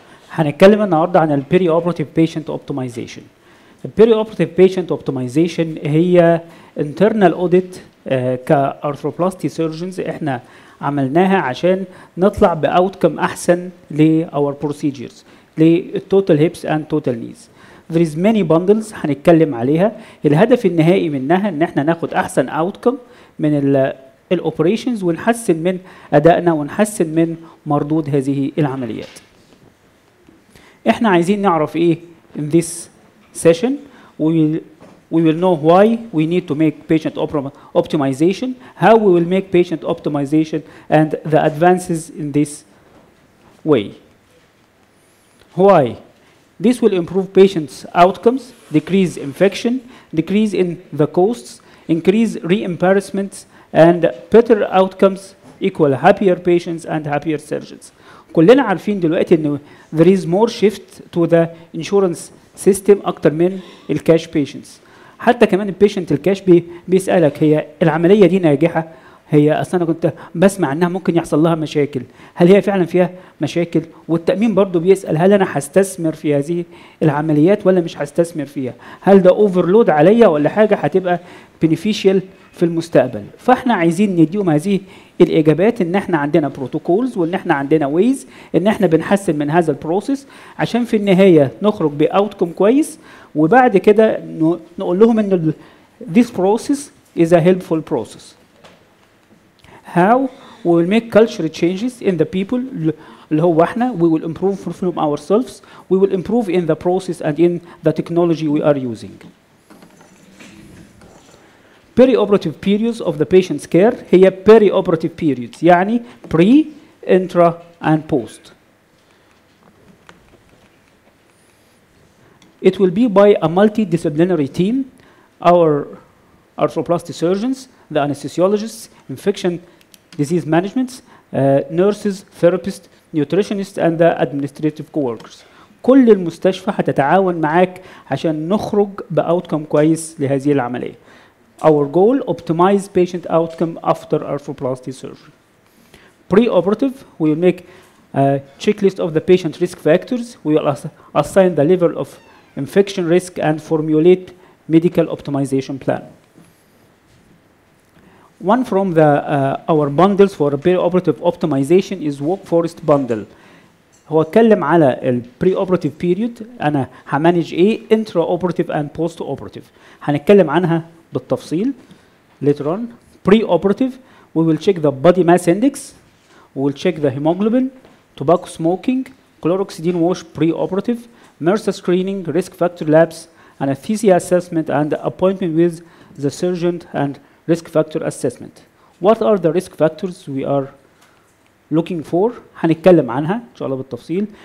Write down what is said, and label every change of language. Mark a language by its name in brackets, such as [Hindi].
[Arabic] هنتكلم النهارده عن البيري اوبريتيف بيشنت اوبتمايزيشن. البيري اوبريتيف بيشنت اوبتمايزيشن هي انترنال اوديت كارثروبلاستي سيرجنز احنا عملناها عشان نطلع باوتكم احسن لاور بروسيجرز للتوتال هيبس اند توتال نيز. [English] There is many bundles [Arabic] هنتكلم عليها. الهدف النهائي منها ان احنا ناخد احسن اوتكم من الاوبريشنز ونحسن من ادائنا ونحسن من مردود هذه العمليات. احنا عايزين نعرف ايه [English] in this session. We will know why we need to make patient optimization, how we will make patient optimization and the advances in this way. Why? This will improve patients' outcomes, decrease infection, decrease in the costs, increase reimbursement, and better outcomes equal happier patients and happier surgeons. [Arabic] كلنا عارفين دلوقتي ان [English] there is more shift to the insurance system [Arabic] اكتر من الكاش [English] patients. [Arabic] حتى كمان البيشنت الكاش بيسالك هي العمليه دي ناجحه؟ هي اصلا انا كنت بسمع انها ممكن يحصل لها مشاكل، هل هي فعلا فيها مشاكل؟ والتامين برضو بيسال هل انا هستثمر في هذه العمليات ولا مش هستثمر فيها؟ هل ده اوفرلود عليا ولا حاجه هتبقى بينيفيشال في المستقبل؟ فاحنا عايزين نديهم هذه الاجابات ان احنا عندنا بروتوكولز وان احنا عندنا ويز ان احنا بنحسن من هذا البروسيس عشان في النهايه نخرج باوتكم كويس وبعد كده نقول لهم ان [English] this process is a helpful process. How we will make culture changes in the people [Arabic] اللي هو احنا, [English] we will improve from ourselves, we will improve in the process and in the technology we are using. Perioperative periods of the patient's care, هي perioperative periods, يعني pre, intra and post. It will be by a multidisciplinary team, our arthroplasty surgeons, the anesthesiologists, infection disease management, nurses, therapists, nutritionists, and the administrative co-workers. [Arabic] كل المستشفى هتتعاون معاك عشان نخرج بأوتكم كويس لهذه العملية. [English] Our goal, optimize patient outcome after arthroplasty surgery. Pre-operative, we will make a checklist of the patient risk factors. We will assign the level of infection risk and formulate medical optimization plan. One from the our bundles for preoperative optimization is workforce bundle. [Arabic] هو اتكلم على ال preoperative period. انا همانج ايه [English] intraoperative and postoperative. [Arabic] هنتكلم عنها بالتفصيل [English] later on. Preoperative, we will check the body mass index, we will check the hemoglobin, tobacco smoking, chloroxidine wash preoperative, MRSA screening, risk factor labs, anesthesia assessment, and appointment with the surgeon and risk factor assessment. What are the risk factors we are looking for? [Arabic] هنتكلم عنها إن شاء الله بالتفصيل.